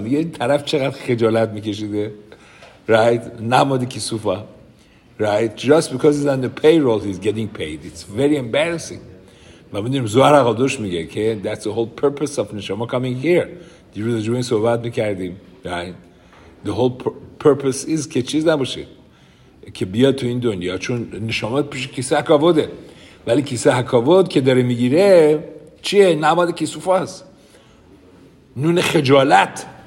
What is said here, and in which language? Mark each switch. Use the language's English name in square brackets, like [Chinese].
[Persian] میگه این طرف چقدر خجالت میکشیده. Right, نماد کسوفا. [English] Right, just because he's on the payroll he's getting paid. It's very embarrassing. [Persian] و میدونیم زوهر اقادوش میگه که [English] that's the whole purpose of نشامه coming here. [Persian] دیروز جمعه صحبت میکردیم. Right, [English] the whole purpose is [Persian] که چیز نباشه که بیا تو این دنیا، چون نشامه پیش کیسه حکاوده. ولی کیسه حکاوده که داره میگیره چیه؟ نماد کسوفا هست، نون خجالت.